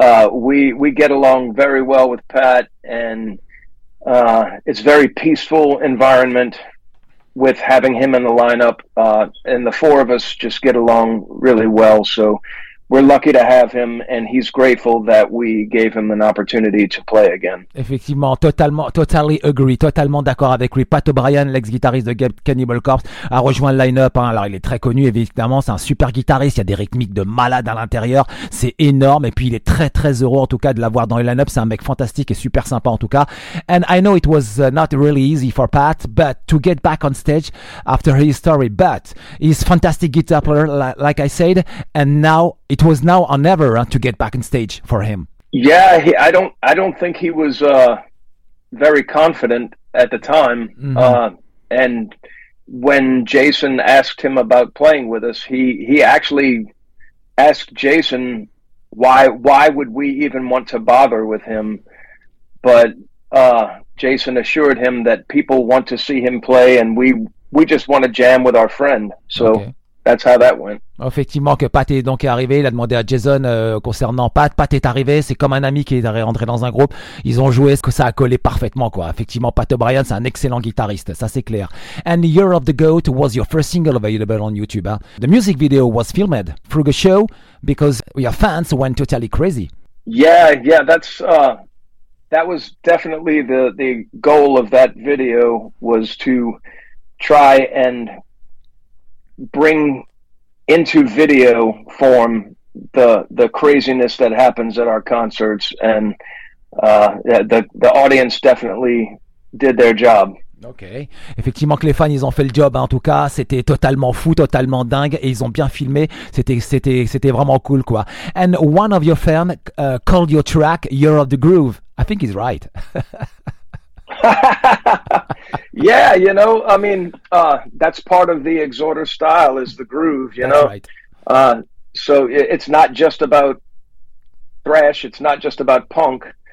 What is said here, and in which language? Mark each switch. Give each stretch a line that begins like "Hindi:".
English: We get along very well with Pat, and it's very peaceful environment with having him in the lineup, and the four of us just get along really well, so we're lucky to have him, and he's grateful that we gave him an opportunity to play again.
French: Effectivement, totalement,
English: totally agree,
French: totalement d'accord avec lui. Pat O'Brien, l'ex-guitariste de Cannibal Corpse, a rejoint le line-up. Hein. Alors, il est très connu, évidemment, c'est un super guitariste. Il y a des rythmiques de malade à l'intérieur, c'est énorme. Et puis, il est très, très heureux, en tout cas, de l'avoir dans le line-up. C'est un mec fantastique et super sympa, en tout cas.
English: And I know it was not really easy for Pat, but to get back on stage after his story. But he's a fantastic guitar player, like I said, and now it was now or never to get back on stage for him. Yeah, I don't think he was very confident at the time. Mm-hmm. And when Jason asked him about playing with us, he actually asked Jason why would we even want to bother with him? But Jason assured him that people want to see him play, and we just want to jam with our friend. So. Okay. That's how that went.
French: Effectivement, que Pat est donc arrivé. Il a demandé à Jason concernant Pat. Pat est arrivé. C'est comme un ami qui est rentré dans un groupe. Ils ont joué. Est-ce que ça a collé parfaitement, quoi? Effectivement, Pat O'Brien, c'est un excellent guitariste. Ça, c'est clair.
English: And Year of the Goat was your first single available on YouTube. Huh? The music video was filmed through the show because your fans went totally crazy. Yeah, yeah. That's that was definitely the goal of that video, was to try and bring into video form the craziness that happens at our concerts, and the audience definitely did their job.
French: Ok, effectivement que les fans ils ont fait le job, hein. En tout cas c'était totalement fou, totalement dingue, et ils ont bien filmé, c'était vraiment cool, quoi.
English: And one of your fans called your track Year of the Groove. I think he's right. Yeah, you know, I mean, that's part of the Exhorter style, is the groove, you know. Right. So it's not just about thrash, it's not just about punk.